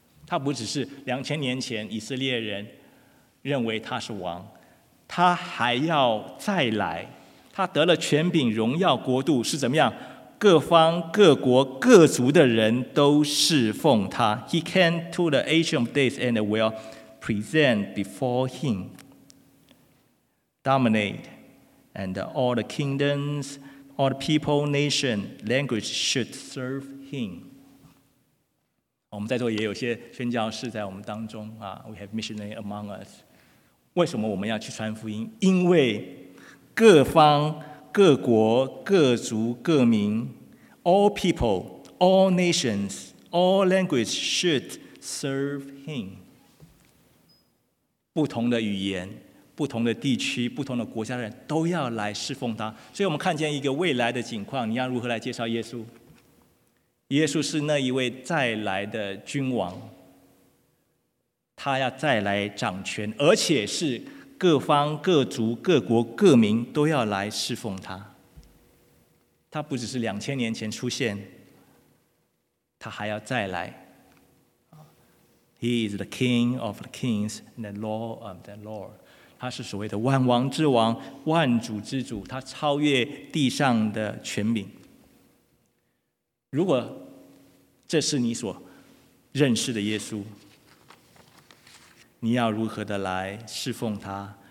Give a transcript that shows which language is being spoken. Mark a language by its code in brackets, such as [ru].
[zh] 他不只是2000年前以色列人认为他是王，他还要再来。他得了权柄、荣耀、国度，是怎么样？各方、各国、各族的人都侍奉他。 [en] He came to the Ancient of Days and will present before him, dominate, and all the kingdoms, all the people, nation, language should serve him. [zh] 我们在座也有些宣教士在我们当中啊 ， [en] We have missionary among us. [zh] 为什么我们要去传福音？因为各方、各国、各族、各民 ， [en] all people, all nations, all language should serve him. [zh] 不同的语言、不同的地区、不同的国家的人都要来侍奉他。所以我们看见一个未来的景况，你要如何来介绍耶稣？耶稣是那一位再来的君王，他要再来掌权，而且是各方、各族、各国、各民都要来侍奉他。他不只是2000年前出现，他还要再来。 [en] He is the King of the Kings and the Lord of the Lord. [zh] 他是所谓的万王之王、万主之主，他超越地上的权柄。如果这是你所认识的耶稣，你要如何的来侍奉他？